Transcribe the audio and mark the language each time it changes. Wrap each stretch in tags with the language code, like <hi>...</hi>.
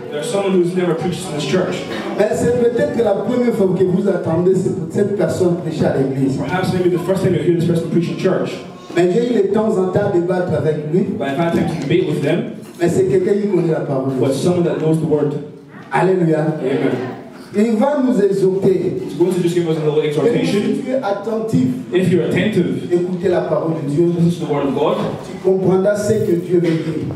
<en>There's someone who's never preached in this church.</en> <fr>Mais c'est peut-être que la première fois que vous attendez, c'est pour cette personne prêcher à l'église.</fr> <en>Perhaps maybe the first time you hear this person preach in church.</en> <fr>Mais j'ai eu le temps en temps de débattre avec lui.</fr> <en>But I've had time to debate with them.</en> <fr>Mais c'est quelqu'un qui connaît la parole.</fr> <en>But someone that knows the word.</en> <fr>Alléluia.</fr> <en>Amen.</en> <fr>Et il va nous exhorter.</fr> <en>He's going to just give us a little exhortation.</en> <fr>Si tu es attentif,</fr> <en>if you're attentive,</en> <fr>écoutez la parole de Dieu,</fr> <en>listen to the word of God,</en> <fr>tu comprendras ce que Dieu veut dire.</fr>